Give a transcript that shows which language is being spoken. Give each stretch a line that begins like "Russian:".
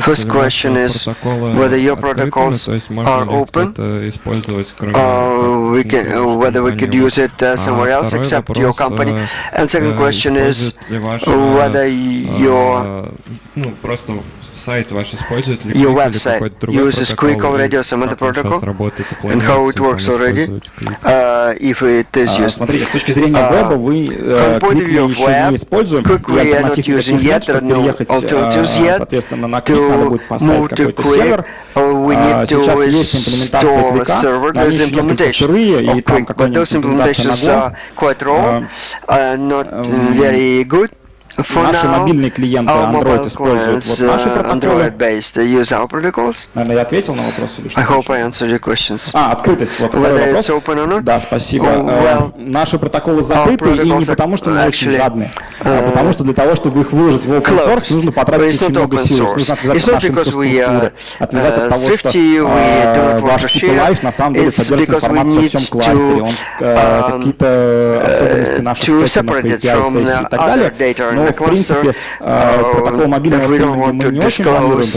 English: First question is whether your protocols are open, whether we could use it somewhere else except your company. And second question is whether your website uses Quick already or some other protocol, and how it works already, if it is used.
Russian: Смотрите, с точки зрения веба, вы Quick еще не используете. Я не
English: using yet,
Russian: соответственно, на Quick надо будет поставить какой-то сервер. Сейчас есть имплементация Quick, но они еще несколько сырые, и там какая-нибудь имплементация на Go.
English: Quite raw, not very good.
Russian: Наши мобильные клиенты Android используют наши протоколы. Наверное, я ответил на вопрос или что?
English: I hope I answered your questions.
Russian: А, открытость. Вот второй вопрос.
English: Open or not?
Russian: Да, спасибо. Наши протоколы закрыты, и не потому, что мы очень жадные, а потому что для того, чтобы их выложить в open source, нужно потратить очень много сил.
English: It's not because we are thrifty, we don't want to share. It's because we need to separate it from the other data in the cluster that we don't want to disclose.